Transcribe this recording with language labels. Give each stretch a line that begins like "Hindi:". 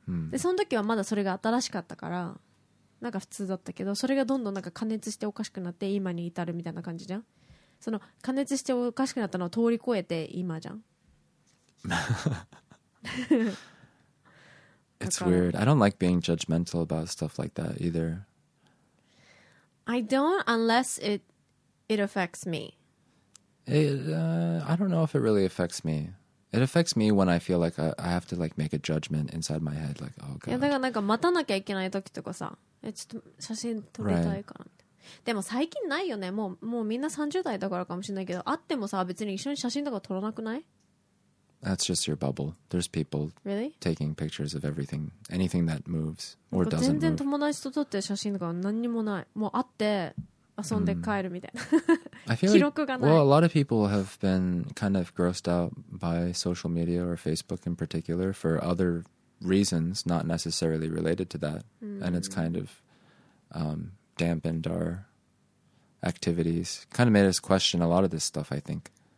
Japanese: で、その時はまだそれが新しかったからなんか普通だったけど、それがどんどんなんか加熱しておかしくなって今に至るみたいな感じじゃん。その加熱しておかしくなったのを通り越えて今じゃん。
English: It's weird. I don't like being judgmental about stuff like that either. I don't unless it affects me. I don't know if it really affects me. It affects me when I feel like I have to like make a judgment inside my head, like, oh god.
Japanese: いやだからなんか待たなきゃいけない時とかさ、ちょっと写真撮りたいから。
English: Right.
Japanese: でも最近ないよね。もうみんな30代だからかもしれないけど、会ってもさ別に一緒に写真とか撮らなくない？
English: That's just your bubble. There's people really taking pictures of everything, anything that moves or doesn't move.
Japanese: 全然友達と撮ってる写真とか何にもない。もう会って遊んで帰るみたいな。
English: I feel like, well, a lot of people have been kind of grossed out by social media or Facebook in particular for other reasons, not necessarily related to that. Mm. And it's kind of dampened our activities. Kind of made us question a lot of this stuff, I think.